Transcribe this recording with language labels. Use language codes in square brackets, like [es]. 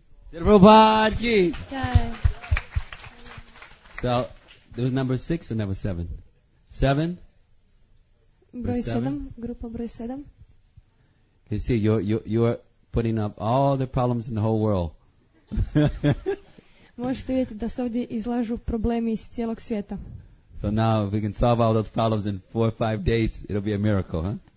[en] Srbo Bhaji! Jai. So, there was number 6 or number 7? 7? [hr] Broj 7, grupa broj 7. [en] You see, you're putting up all the problems in the whole world. [hr] Možete vidjeti da se ovdje izlažu problemi iz cijelog svijeta. [en] So now, if we can solve all those problems in 4 or 5 days, it'll be a miracle, huh?